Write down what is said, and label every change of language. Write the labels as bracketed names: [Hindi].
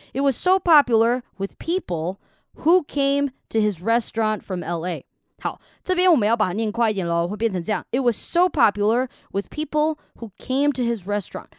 [English] It was so popular with people who came to his restaurant from LA。 [Chinese] 好，这边我们要把它念快一点咯，会变成这样。 [English] It was so popular with people who came to his restaurant.